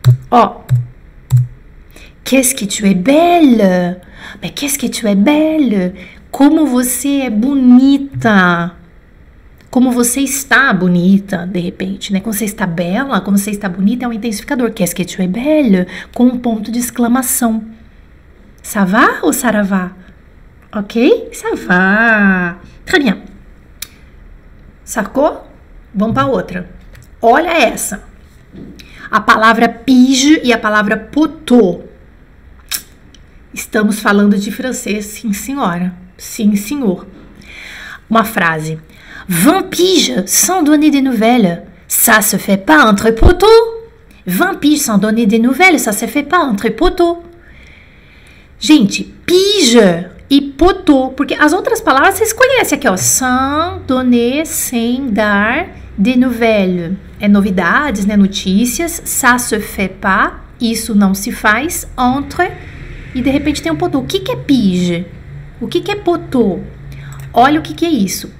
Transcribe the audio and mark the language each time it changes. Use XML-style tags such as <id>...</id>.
<fr>Ó, qu'est-ce que tu es belle? Mas qu'est-ce que tu es belle?</fr> <pt>Como você é bonita? Como você está bonita, de repente, né? Como você está bela, como você está bonita, é um intensificador.</pt> <fr>Qu'est-ce que tu es belle?</fr> <pt>Com um ponto de exclamação. Ça va ou saravá? Ok?</pt> <fr>Ça va. Très bien.</fr> <pt>Sacou? Vamos para outra. Olha essa. A palavra pige e a palavra poteau. Estamos falando de francês, sim, senhora. Sim, senhor. Uma frase.</pt> <fr>20 piges sans donner de nouvelles. Ça se fait pas entre poteaux. 20 piges sans donner de nouvelles. Ça se fait pas entre poteaux.</fr> <pt>Gente, pige e poteau. Porque as outras palavras vocês conhecem aqui, ó. Sans donner, sem dar. De nouvelles, é novidades, né? Notícias.</pt> <fr>Ça se fait pas,</fr> <pt>isso não se faz. Entre, e de repente tem um poteau. O que que é pige? O que que é poteau? Olha o que que é isso.</pt>